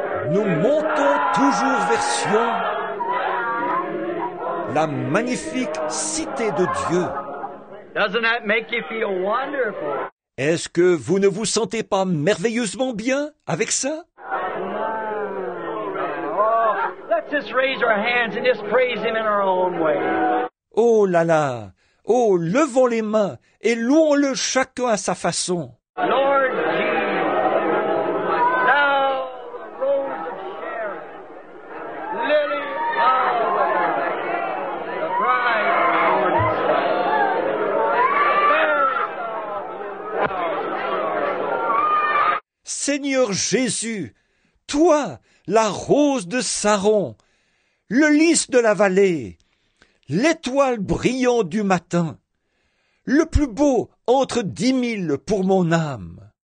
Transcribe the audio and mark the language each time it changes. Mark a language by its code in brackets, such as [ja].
[fr] Nous montons toujours vers Sion, la magnifique cité de Dieu. [en] Doesn't that make you feel wonderful? [fr] Est-ce que vous ne vous sentez pas merveilleusement bien avec ça? [en] Oh, let's just raise our hands and just praise him in our own way. Oh là là! [fr] Oh, levons les mains et louons-le chacun à sa façon. [en] Lord Jesus, thou rose of Sharon, lily of the valley, the bride of the morning star, the fairest of the [fr] Seigneur Jésus, toi, la rose de Saron, le lys de la vallée, l'étoile brillante du matin, le plus beau entre 10 000 pour mon âme.